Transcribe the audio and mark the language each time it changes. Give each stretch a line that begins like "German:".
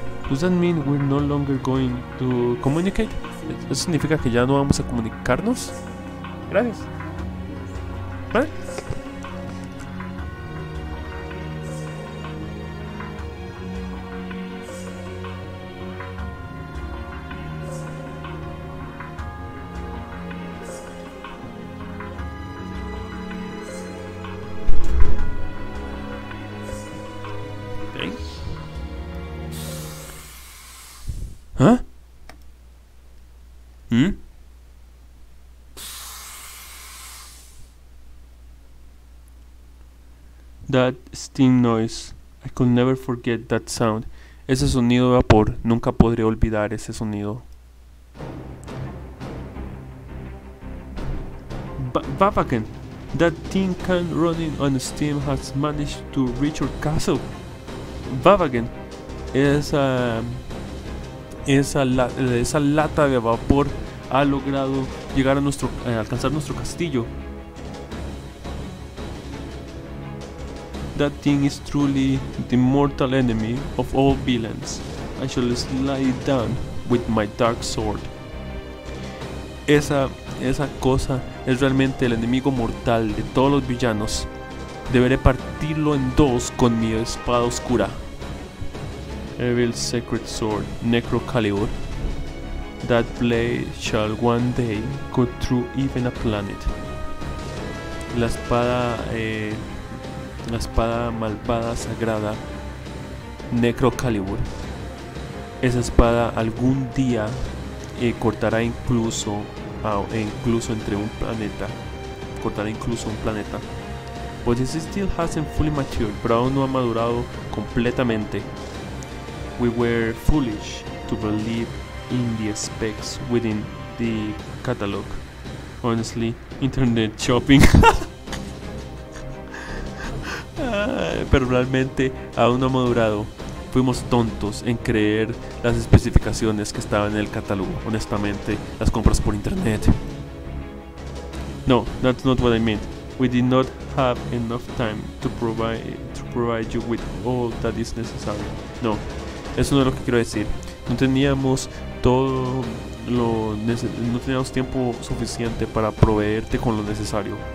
English: Does that mean we're no longer going to communicate?
Spanish: ¿Eso significa que ya no vamos a comunicarnos? Gracias. ¿Vale?
English: That sting noise, I could never forget that sound.
Spanish: Ese sonido de vapor, nunca podré olvidar ese sonido.
English: Vapaken, that tin can running on steam has managed to reach your castle.
Spanish: Vapaken, esa lata de vapor ha logrado llegar a nuestro alcanzar nuestro castillo.
English: That thing is truly the mortal enemy of all villains. I shall slay it down with my dark sword.
Spanish: Esa cosa es realmente el enemigo mortal de todos los villanos. Deberé partirlo en dos con mi espada oscura.
English: Evil sacred sword, Necrocalibur. That blade shall one day cut through even a planet.
Spanish: La espada malvada sagrada, Necrocalibur. Esa espada algún día cortará incluso entre un planeta. Cortará incluso un planeta.
English: But this still hasn't fully matured,
Spanish: pero aún no ha madurado completamente.
English: We were foolish to believe in the specs within the catalog. Honestly, internet shopping.
Spanish: Pero realmente aún no ha madurado. Fuimos tontos en creer las especificaciones que estaban en el catálogo. Honestamente, las compras por internet.
English: No, that's not what I meant. We did not have enough time to provide you with all that is necessary.
Spanish: No, eso no es lo que quiero decir. No teníamos todo lo no teníamos tiempo suficiente para proveerte con lo necesario.